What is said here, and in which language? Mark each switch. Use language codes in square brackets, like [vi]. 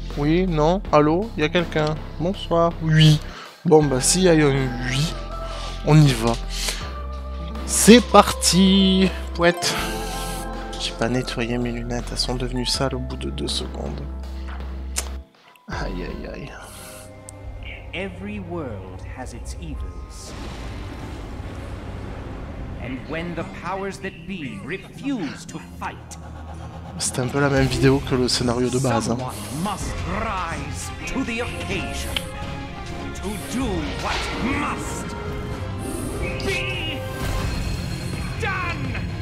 [fr] Oui, non, allô, il y a quelqu'un? Bonsoir. Oui. Bon, bah si, il y a un oui, on y va. C'est parti, pouette. J'ai pas nettoyé mes lunettes, elles sont devenues sales au bout de 2 secondes. Aïe, aïe, aïe. [en] Every world has its evils. And when the powers that be refuse to fight... [fr] C'est un peu la même vidéo que le scénario de base. Hein. [en] Someone must rise to the occasion to do what must be done.